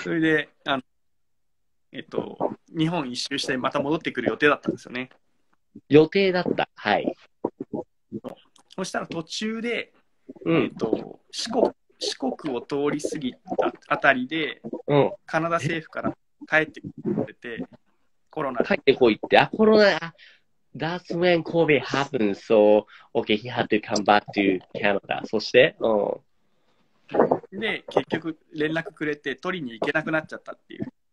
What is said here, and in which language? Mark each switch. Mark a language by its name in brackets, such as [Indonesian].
[Japanese] それで、日本一周してまた戻ってくる予定だったんですよね。予定だった、はい。そしたら途中で、うん、四国を通り過ぎたあたりで、うん、カナダ政府から帰ってこいて、コロナ帰ってこいって、あ、コロナ、 [English] That's when COVID happened, so, okay, he had to come back to Canada. [Japanese] そして、うん、で、結局連絡くれて、取りに行けなくなっちゃったっていう。